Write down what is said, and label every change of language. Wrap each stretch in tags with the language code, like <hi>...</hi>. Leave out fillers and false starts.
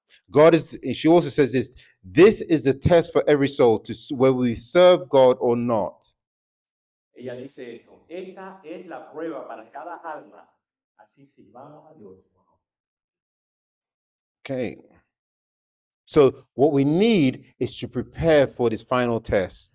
<en>God is, and she also says this: this is the test for every soul, to whether we serve God or not.</en> <es>Ella dice esto: esta es la prueba para cada alma, así sirvamos a Dios.</es> <en>Okay. So what we need is to prepare for this final test.</en>